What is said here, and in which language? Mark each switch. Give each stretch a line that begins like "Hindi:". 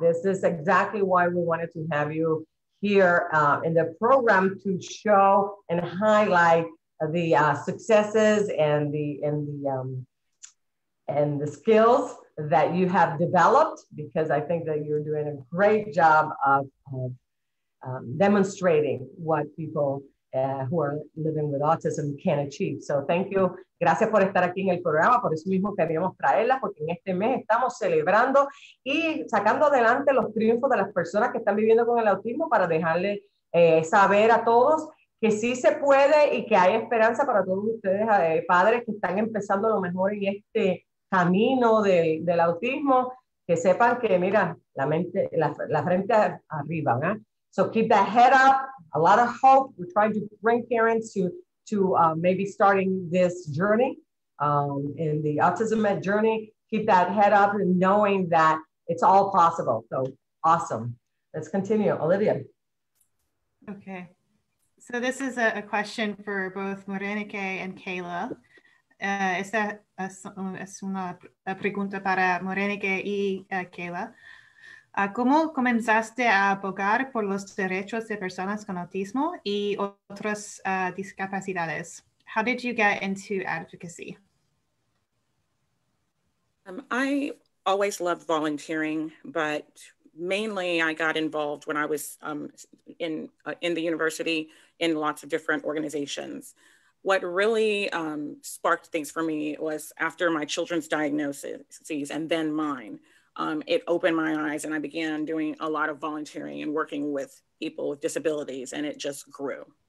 English: This is exactly why we wanted to have you here in the program, to show and highlight the successes and the skills that you have developed, because I think that you're doing a great job of demonstrating what people who are living with autism can achieve. So thank you.
Spanish: Gracias por estar aquí en el programa, por eso mismo queríamos traerlas, porque en este mes estamos celebrando y sacando adelante los triunfos de las personas que están viviendo con el autismo para dejarle saber a todos que sí se puede y que hay esperanza para todos ustedes, padres que están empezando a lo mejor en este camino del autismo, que sepan que, mira, la mente, la frente arriba, ¿eh?
English: So keep that head up, a lot of hope. We're trying to bring parents to maybe starting this journey, in the autism med journey. Keep that head up and knowing that it's all possible. So awesome. Let's continue, Olivia. Okay. So this is a question for both Morenike and Kayla.
Spanish: Esta es una pregunta para Morenike y Kayla. ¿Cómo comenzaste a abogar por los derechos de personas con autismo y otras discapacidades?
English: How did you get into advocacy? I always loved volunteering, but mainly I got involved when I was in the university in lots of different organizations. What really sparked things for me was after my children's diagnoses and then mine, it opened my eyes and I began doing a lot of volunteering and working with people with disabilities, and it just grew.